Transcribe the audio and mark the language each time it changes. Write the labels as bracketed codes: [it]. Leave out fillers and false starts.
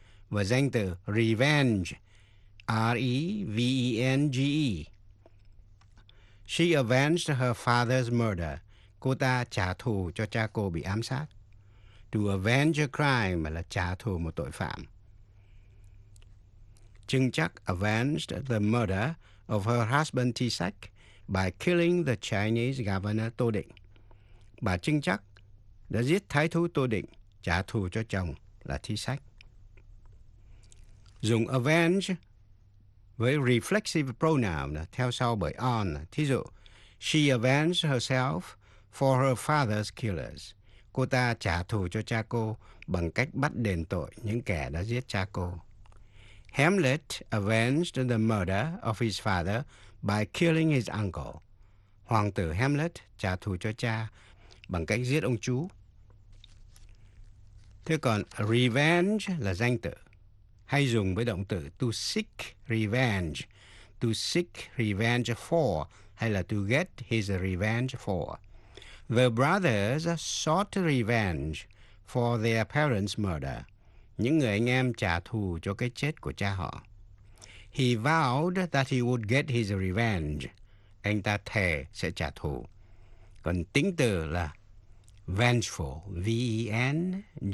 [vi] Và danh từ revenge, R-E-V-E-N-G-E. [en] She avenged her father's murder. [vi] Cô ta trả thù cho cha cô bị ám sát. [en] To avenge a crime [vi] là trả thù một tội phạm. [en] Trưng chắc avenged the murder of her husband T-Sack by killing the Chinese governor Tô Định. [vi] Bà Trưng chắc đã giết thái thú Tô Định, trả thù cho chồng là T-Sack. Dùng avenge với reflexive pronoun theo sau bởi on. Thí dụ, [en] she avenged herself for her father's killers. [vi] Cô ta trả thù cho cha cô bằng cách bắt đền tội những kẻ đã giết cha cô. [en] Hamlet avenged the murder of his father by killing his uncle. [vi] Hoàng tử Hamlet trả thù cho cha bằng cách giết ông chú. Thế còn revenge là danh từ, hay dùng với động từ [en] to seek revenge. To seek revenge for [vi] hay là [en] to get his revenge for. The brothers sought revenge for their parents' murder. [vi] Những người anh em trả thù cho cái chết của cha họ. [en] He vowed that he would get his revenge. [vi] Anh ta thề sẽ trả thù. Còn tính từ là vengeful, V-E-N-G-E-F-U-L.